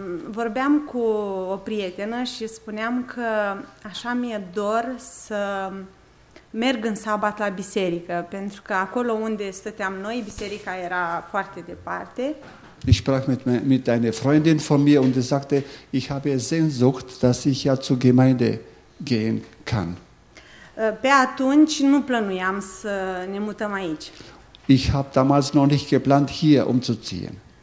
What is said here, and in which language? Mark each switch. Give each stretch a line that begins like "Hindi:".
Romanian: Vorbeam cu o prietenă și spuneam că așa mi-e dor să merg în sabat la biserică, pentru că acolo unde stăteam noi, biserica era foarte departe.
German: Ich sprach mit einer Freundin von mir und sagte, ich habe Sehnsucht, dass ich ja zur Gemeinde gehen kann.
Romanian: Pe atunci nu plănuiam să ne mutăm aici.
German: Ich habe damals noch nicht geplant, hier umzuziehen.